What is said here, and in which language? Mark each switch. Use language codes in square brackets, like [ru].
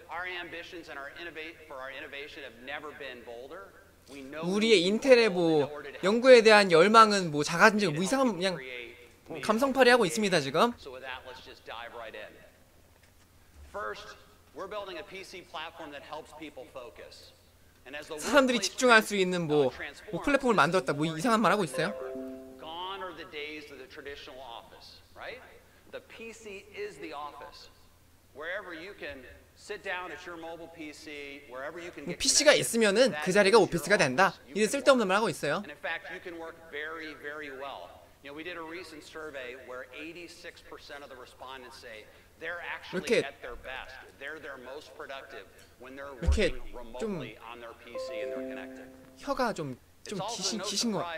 [en] Our ambitions and our innovate for our innovation have never been bolder. [ko] 우리의 인텔의 뭐 연구에 대한 열망은 뭐 작아진 지 뭐 이상한 그냥 감성팔이 하고 있습니다 지금. [en] So with that, let's just dive right in. First, we're building a PC platform that helps people focus. [ko] 사람들이 집중할 수 있는 뭐 플랫폼을 만들었다 뭐 이상한 말 하고 있어요. [en] Gone are the days of the traditional office, right? The PC is the office. Wherever you can sit down at your mobile PC, wherever you can get [ko] PC가 있으면은 그 자리가 오피스가 된다. 이런 쓸데없는 말 하고 있어요. [en] And in fact, you can work very, very well. You know, we did a recent survey where 86% of the respondents say they're actually at their best. They're their most productive when they're working remotely on their PC and they're connected. [ko] 혀가 좀 기신 거.